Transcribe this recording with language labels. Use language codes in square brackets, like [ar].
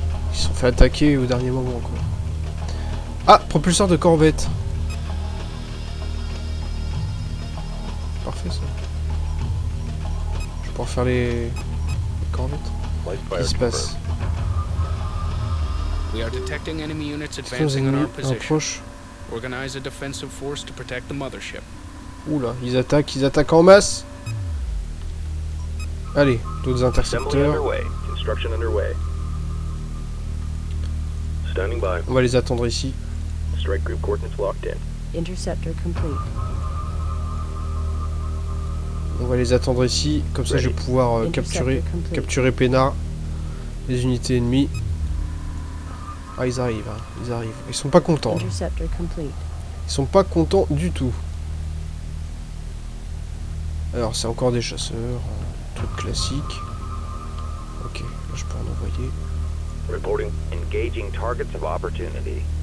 [fr] Ils se sont fait attaquer au dernier moment, quoi. Ah, propulseur de corvette. Parfait, ça. Je vais pouvoir faire les Corvette. Qu'est-ce qui se passe? [en] We are detecting enemy units advancing on our position. Organize a defensive force to protect the mothership. [fr] Oula, ils attaquent en masse. Allez, d'autres intercepteurs. [en] Construction underway. Standing by. [fr] On va les attendre ici. [en] Strike group coordinates locked in. Interceptor complete. [fr] On va les attendre ici, comme ça je vais pouvoir capturer Pena, les unités ennemies. Ah, ils arrivent, hein. Ils arrivent. Ils sont pas contents. Ils sont pas contents du tout. Alors, c'est encore des chasseurs, truc classique. Ok, là, je peux en envoyer. [en] Reporting engaging targets of opportunity.